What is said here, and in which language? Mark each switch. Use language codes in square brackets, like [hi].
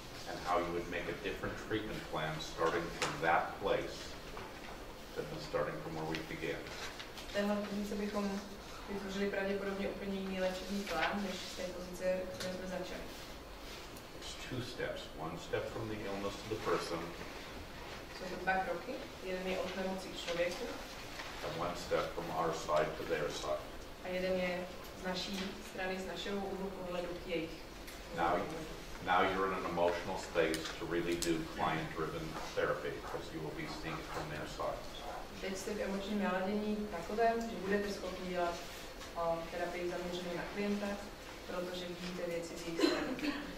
[en] And how you would make a different treatment plan starting from that place than starting from where we began. [cs] Tenhle pozice bychom vytvořili pravděpodobně úplně jiný léčební plán, než z té pozice, kde jsme začali. [en] It's two steps. One step from the illness to the person. [cs] Jsou to dva kroky. Jeden je od nemoci k člověku. [en] And one step from our side to their side. [cs] A jeden je z naší strany, z našeho úhlu pohledu k jejich. [en] Now you're in an emotional space to really do client-driven therapy, because you will be seeing it from their side. [cs] Teď jste v emočním naladění takovém, že budete schopni dělat terapii zaměřenou na klienta, protože vidíte věci z jejich strany.